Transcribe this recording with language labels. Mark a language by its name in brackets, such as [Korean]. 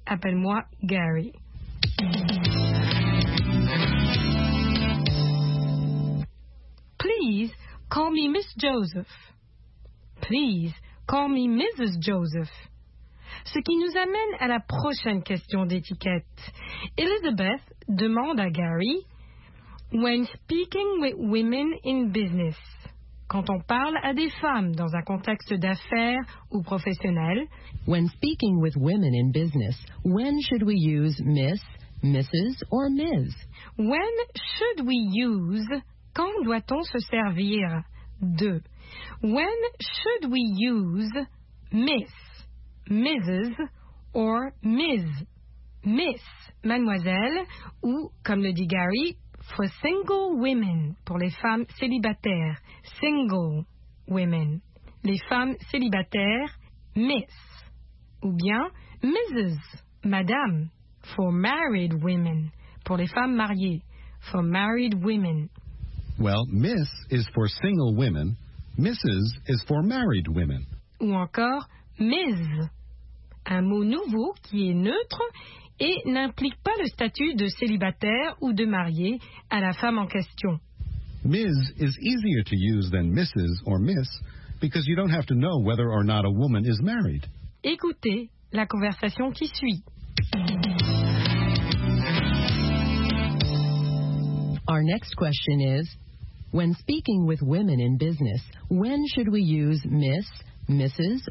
[French] Appelle-moi Gary. [English] Please call me Miss Joseph. Please call me Mrs. Joseph. [French] Ce qui nous amène à la prochaine question d'étiquette. Elizabeth demande à Gary, [English] when speaking with women in business. [French] Quand on parle à des femmes dans un contexte d'affaires ou professionnel. [English] When speaking with women in business, when should we use Miss, Mrs. or Ms? When should we use, [French] quand doit-on se servir de? [English] When should we use Miss, Mrs. or Ms? [French] Miss, mademoiselle, ou comme le dit Gary, [English] for single women, [French] pour les femmes célibataires. [English] Single women, [French] les femmes célibataires, miss. Ou bien, Mrs., madame, [English] for married women, [French] pour les femmes mariées, for married women. [English] Well, miss is for single women, Mrs. is for married women. [French] Ou encore, Ms., un mot nouveau qui est neutre et n'implique pas le statut de célibataire ou de marié à la femme en question. [English] Ms. is easier to use than Mrs. or Miss because you don't have to know whether or not a woman is married. [French] Écoutez la conversation qui suit. [English] Our next question is, when speaking with women in business, when should we use Miss, Mrs.